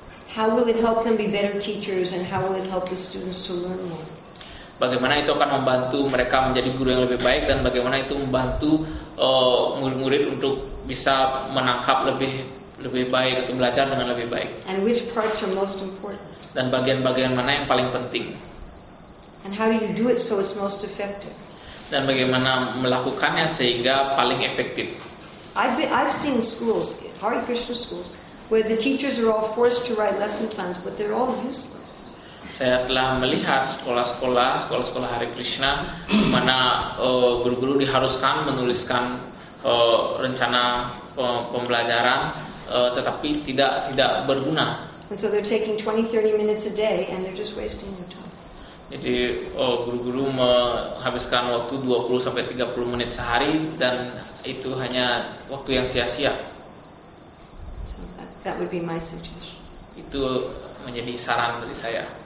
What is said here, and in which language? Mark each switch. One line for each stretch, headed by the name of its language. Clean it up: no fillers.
English: How will it help them be better teachers and how will it help the students to learn more?
Indonesian: Bagaimana itu akan membantu mereka menjadi guru yang lebih baik dan bagaimana itu membantu murid-murid untuk bisa menangkap lebih baik atau belajar dengan lebih baik.
English: And which parts are most important?
Indonesian: Dan bagian-bagian mana yang paling penting?
English: And how you do it so it's most effective?
Indonesian: Dan bagaimana melakukannya sehingga paling efektif?
English: I've seen schools, Hare Krishna schools, where the teachers are all forced to write lesson plans, but they're all useless.
Indonesian: Saya telah melihat sekolah-sekolah Hare Krishna di mana guru-guru diharuskan menuliskan rencana pembelajaran, tetapi tidak berguna.
English: And so they're taking 20-30 minutes a day and they're just wasting their time.
Indonesian: Jadi guru-guru menghabiskan waktu 20-30 menit sehari dan itu hanya waktu yang sia-sia.
English: So that would be my suggestion.
Indonesian: Itu menjadi saran dari saya.